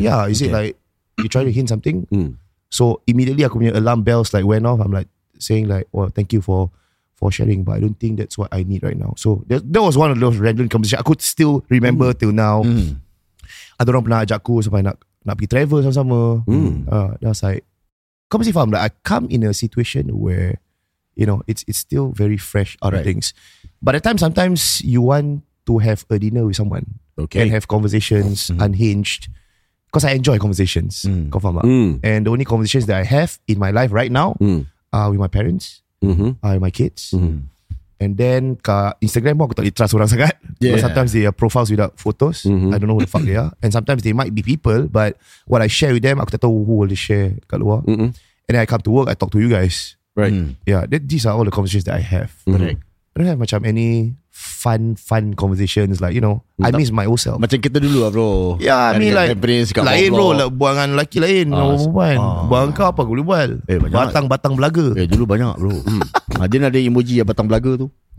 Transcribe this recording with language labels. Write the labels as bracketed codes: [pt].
[en] Yeah, is it like, you trying to hint something? So immediately [ms] aku punya [en] alarm bells like went off. I'm like saying like, well, thank you for sharing, but I don't think that's what I need right now. So that was one of those random conversations. I could still remember till now. [ms] Ada orang pernah ajak aku sampai nak pergi travel sama-sama. [en] That was like, [ms] kau mesti faham, [en] like, I come in a situation where, you know, it's still very fresh other things. But at times, sometimes you want to have a dinner with someone. Okay. And have conversations unhinged. Because I enjoy conversations. [ms] Kau faham tak? [en] And the only conversations that I have in my life right now are with my parents. My kids. And then Instagram [ms] pun aku tak boleh trust orang sangat. [en] Sometimes they are profiles without photos. I don't know who the fuck they are. And sometimes they might be people, but what I share with them, [ms] aku tak tahu [en] who will they share [ms] kat luar. [en] And then I come to work, I talk to you guys. These are all the conversations that I have. I don't have macam any fun conversations, like, you know, I miss my old self. [ms] Macam kita dulu lah bro. Like lain bro, buang dengan lelaki lain. Buang kau apa aku boleh buat? Batang-batang belaga. Dulu banyak bro. Dia ada emoji yang batang belaga tu.